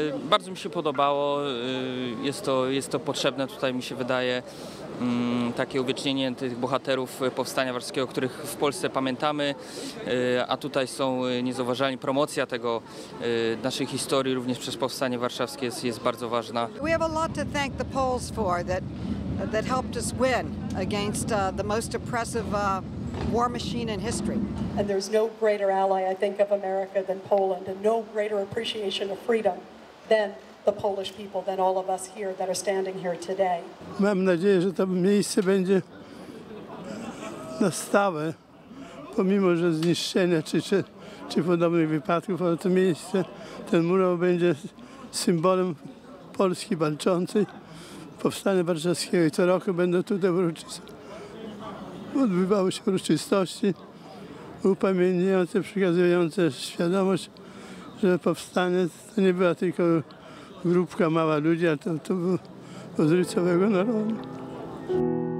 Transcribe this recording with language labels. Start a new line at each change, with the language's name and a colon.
Polish: Bardzo mi się podobało, jest to potrzebne tutaj mi się wydaje, takie uwiecznienie tych bohaterów powstania warszawskiego, których w Polsce pamiętamy, a tutaj są niezauważalni. Promocja tego naszej historii również przez powstanie warszawskie jest bardzo ważna.
English: We have a lot to thank the Poles for that helped us win against the most oppressive war machine in history. And there's no greater ally, I think, of America than Poland, and no greater appreciation of freedom than the Polish people, than all of us here that are standing here today.
Polish: Mam nadzieję, że to miejsce będzie na stałe, pomimo że zniszczenia czy podobnych wypadków, ale to miejsce, ten mural będzie symbolem Polski walczącej. Powstanie warszawskiego i co roku będą tutaj odbywały się uroczystości upamiętniające, przekazujące świadomość, że powstanie to nie była tylko grupka mała ludzi, a to był wzór całego narodu.